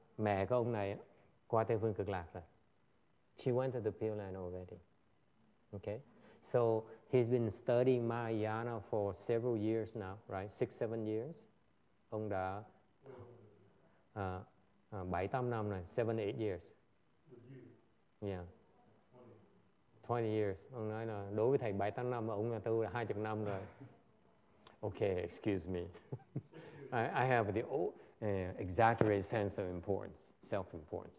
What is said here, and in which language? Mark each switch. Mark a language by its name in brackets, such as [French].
[Vietnamese] Mẹ của ông này qua Tây Phương Cực Lạc rồi. [English] She went to Pure Land already. Okay. So he's been studying Mahayana for several years now, right? 6-7 years. [Vietnamese] Ông đã 7-8 năm rồi, [English] 7-8 years. Yeah. 20 years. [Vietnamese] Ông nói là đối với thầy 7-8 năm, ông là tôi 20 năm rồi. [English] Okay, excuse me. I have the exaggerated sense of importance, self-importance.